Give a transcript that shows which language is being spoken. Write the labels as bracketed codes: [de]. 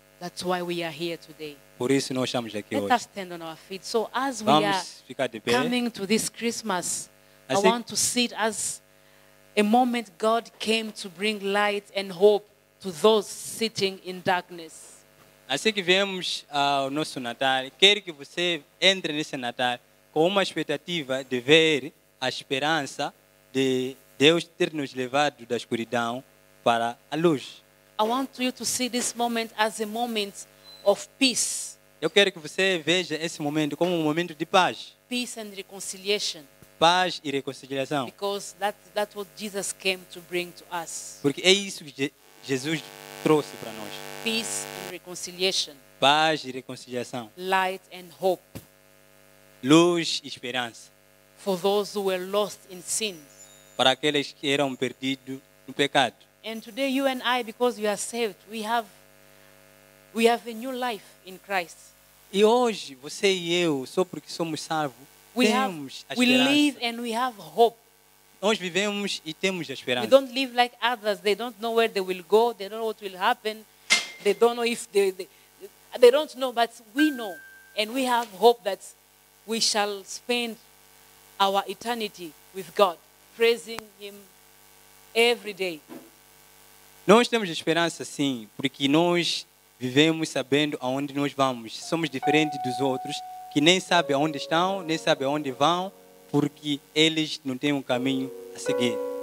[en] That's why we are here today. [pt] Por isso nós estamos aqui [en] Let [pt] hoje. [en] Let us stand on our feet. So as [pt] Vamos [en] we are coming to this Christmas, I want to see it as a moment God came to bring light and hope to those sitting in darkness. [pt] Assim que viemos ao nosso Natal, quero que você entre nesse Natal com uma expectativa de ver a esperança de Deus ter nos levado da escuridão para a luz. [en] I want you to see this moment as a moment of peace. [pt] Eu quero que você veja esse momento como um momento de paz. [en] Peace and reconciliation. [pt] Paz e reconciliação. [en] Because that's what Jesus came to bring to us. [pt] Porque é isso que Jesus trouxe para nós. [en] Peace and reconciliation. [pt] Paz e reconciliação. [en] Light and hope. [pt] Luz e esperança. [en] For those who were lost in sins. [pt] Para aqueles que eram perdidos no pecado. [en] And today you and I, because we are saved, we have a new life in Christ. [pt] E hoje, você e eu, só porque somos salvos, temos a esperança. [en] We live and we have hope. [pt] Nós vivemos e temos a esperança. [en] We don't live like others. They don't know where they will go. They don't know what will happen. They don't know if they don't know, but we know. And we have hope that we shall spend our eternity with God, praising Him every day. [pt] Nós temos esperança, sim, porque nós vivemos sabendo aonde nós vamos. Somos diferentes dos outros, que nem sabem aonde estão, nem sabem aonde vão, porque eles não têm um caminho a seguir.